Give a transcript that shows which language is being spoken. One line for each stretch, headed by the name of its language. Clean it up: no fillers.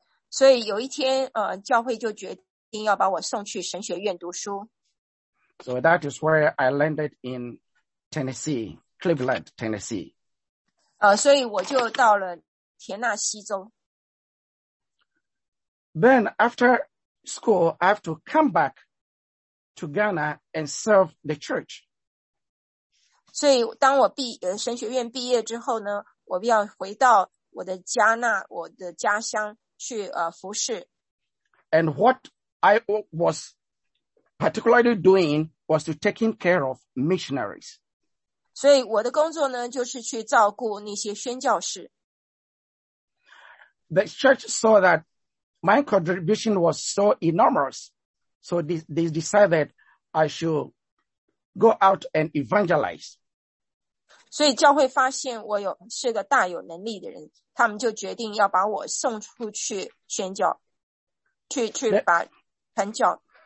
Chinese: 所以有一天，教会就决定要把我送去神学院读书。
English: So that is where I landed in. Tennessee, Cleveland, Tennessee.
Chinese: 所以我就到了田纳西州。
English: Then after school, I have to come back to Ghana and serve the church.
Chinese: 所以当我神学院毕业之后呢，我要回到我的加纳，我的家乡去服侍。
English: And what I was particularly doing was to taking care of missionaries.
Chinese: 所以我的工作呢，就是去照顾那些宣教士。
English: The church saw that my contribution was so enormous, so they decided I should go out and evangelize.
Chinese: 所以教会发现我是个大有能力的人，他们就决定要把我送出去宣教，去把传教。